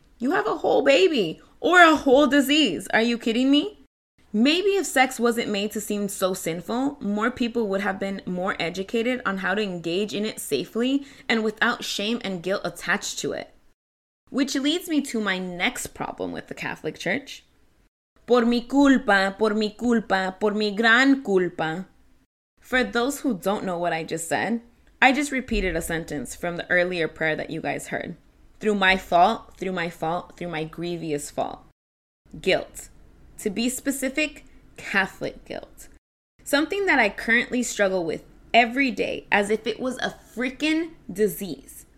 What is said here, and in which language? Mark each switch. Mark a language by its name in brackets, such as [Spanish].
[English] You have a whole baby or a whole disease. Are you kidding me? Maybe if sex wasn't made to seem so sinful, more people would have been more educated on how to engage in it safely and without shame and guilt attached to it. Which leads me to my next problem with the Catholic Church. [Spanish] Por mi culpa, por mi culpa, por mi gran culpa. [English] For those who don't know what I just said, I just repeated a sentence from the earlier prayer that you guys heard. Through my fault, through my fault, through my grievous fault. Guilt. To be specific, Catholic guilt. Something that I currently struggle with every day as if it was a freaking disease.